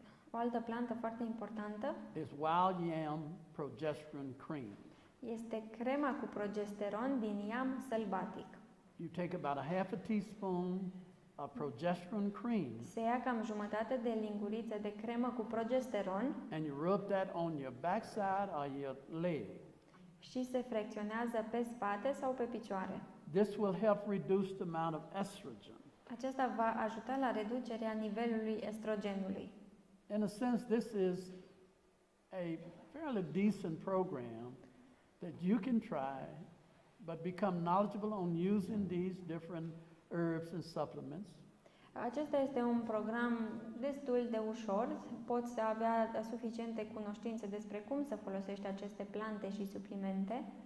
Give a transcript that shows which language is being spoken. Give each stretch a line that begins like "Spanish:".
Romanian: O altă plantă foarte importantă
English: is wild yam progesterone cream.
Romanian: Este crema cu progesteron din yam sălbatic.
English: You take about a half a teaspoon of progesterone cream.
Romanian: Se ia cam jumătate de linguriță de cremă cu progesteron.
English: And you rub that on your backside or your leg.
Romanian: Și se fricționează pe spate sau pe picioare.
English: This will help reduce the amount of estrogen.
Romanian: Aceasta va ajuta la reducerea nivelului estrogenului.
English: In a sense, this is a fairly decent program that you can try, but become knowledgeable on using these different herbs and supplements.
Romanian: Acesta este un program destul de ușor. Poți să avea suficiente cunoștințe despre cum să folosești aceste plante și suplimente.